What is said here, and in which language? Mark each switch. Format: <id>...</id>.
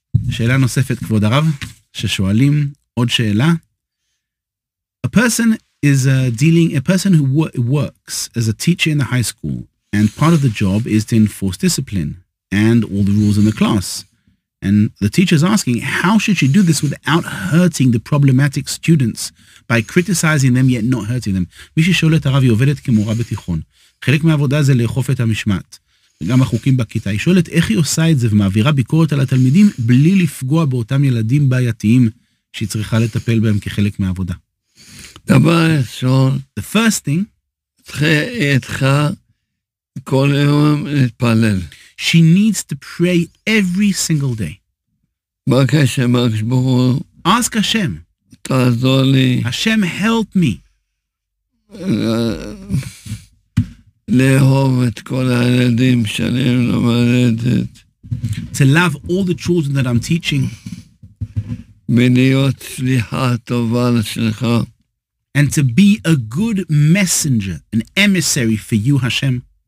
<he>שאלה נוספת, כבוד הרב, ששואלים עוד שאלה.</he> <en>A person is a person who works as a teacher in the high school, and part of the job is to enforce discipline and all the rules in the class. And the teacher is asking, how should she do this without hurting the problematic students by criticizing them yet not hurting them?</en> <he>מי ששואל את הרב, היא עובדת כמורה בתיכון. חלק מהעבודה זה לאכוף את המשמעת. וגם החוקים בכיתה. היא שואלת, איך היא עושה את זה ומעבירה ביקורת על התלמידים בלי לפגוע באותם ילדים בעייתיים שהיא צריכה לטפל בהם כחלק מהעבודה? דבר ראשון,</he> <en>the first thing,</en> <he>צריכה כל יום להתפלל.</he> <en>She needs to pray every single day.</en> <he>בקש שמקש בו.</he> <en>Ask Hashem.</en> <he>תעזור לי.</he> <en>Hashem, help me.</en> <he>לאהוב את כל הילדים שאני מלמדת.</he> <en>To love all the children that I'm teaching.</en> <he>ולהיות שליחה טובה לשלך.</he> <en>And to be a good messenger, an emissary for you, Hashem.</en>